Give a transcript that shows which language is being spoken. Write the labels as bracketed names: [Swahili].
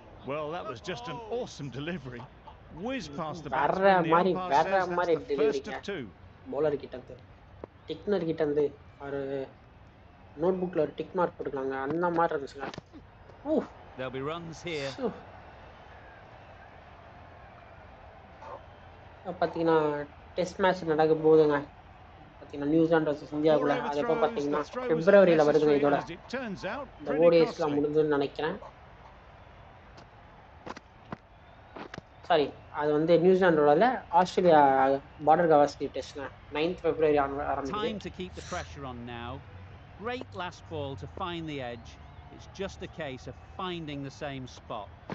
[English] Well, that was just an awesome delivery. Whiz past the bat. [Tamil] வேற மாதிரி delivery. Bowler கிட்ட இருந்து, Tickner கிட்ட இருந்து, ஒரு நோட்புக்ல ஒரு டிக் மார்க் போட்டுக்காங்க அந்த மாதிரி இருந்துச்சுங்க. ஊ [English] There will be runs here. [Tamil] பார்த்தீங்கன்னா டெஸ்ட் மேட்ச் நடக்க போகுதுங்க, பார்த்தீங்கன்னா நியூசிலாண்ட் இந்தியாவுக்குள்ள, அதை பார்த்தீங்கன்னா பிப்ரவரியில் வருதுங்க இதோட இந்த ஓடிஎஸ்லாம் முடிஞ்சுன்னு நினைக்கிறேன். சாரி அது வந்து நியூசிலாண்டோட Australia border Kawasaki test 9th February ஆரம்பிக்குது. [English] Great last ball to find the edge. It's just a case of finding the same spot.